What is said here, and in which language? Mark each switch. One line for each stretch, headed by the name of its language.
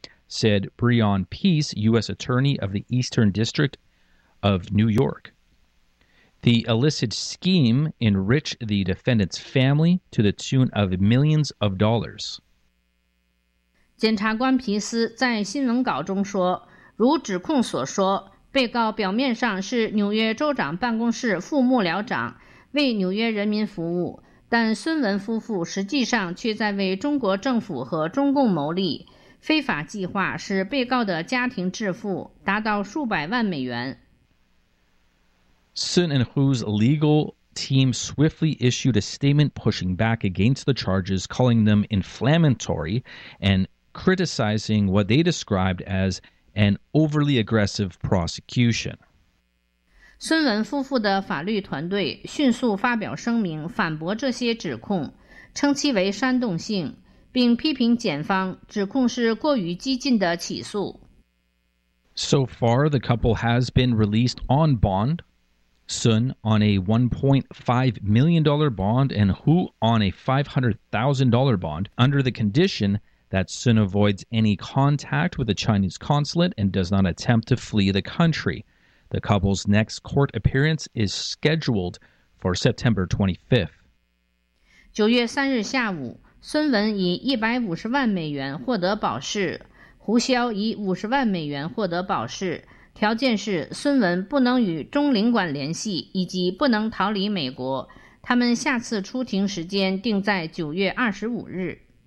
English: said Breon Peace, U.S. Attorney of the Eastern District of New York. The illicit scheme enriched the defendant's family to the tune of millions of dollars.
Chinese: 检察官皮斯在新闻稿中说，如指控所说，被告表面上是纽约州长办公室副幕僚长，为纽约人民服务，但孙文夫妇实际上却在为中国政府和中共牟利。非法计划使被告的家庭致富达到数百万美元。
English: Sun and Hu's legal team swiftly issued a statement pushing back against the charges, calling them inflammatory and criticizing what they described as an overly aggressive prosecution.
Chinese: 孙文夫妇的法律团队迅速发表声明反驳这些指控，称其为煽动性。并批评检方指控是过于激进的起诉。
English: So far, the couple has been released on bond, Sun on a $1.5 million bond and Hu on a $500,000 bond, under the condition that Sun avoids any contact with the Chinese consulate and does not attempt to flee the country. The couple's next court appearance is scheduled for September 25th.
Chinese: 9月3日下午，孙文以150万美元获得保释，胡潇以50万美元获得保释，条件是孙文不能与中领馆联系，以及不能逃离美国。他们下次出庭时间定在9月25日。